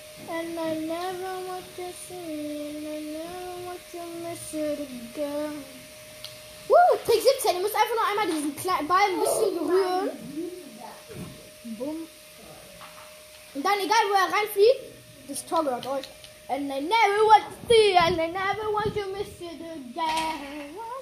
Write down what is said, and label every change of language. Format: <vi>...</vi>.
<en>And I never want to see, and I never want to miss it again.</en> <de>Trick 17, du musst einfach nur einmal diesen kleinen Ball ein bisschen berühren. Boom. Und dann, egal wo er reinfliegt, das Tor gehört euch.</de> <en>And I never want to see, and I never want to miss it again.</en>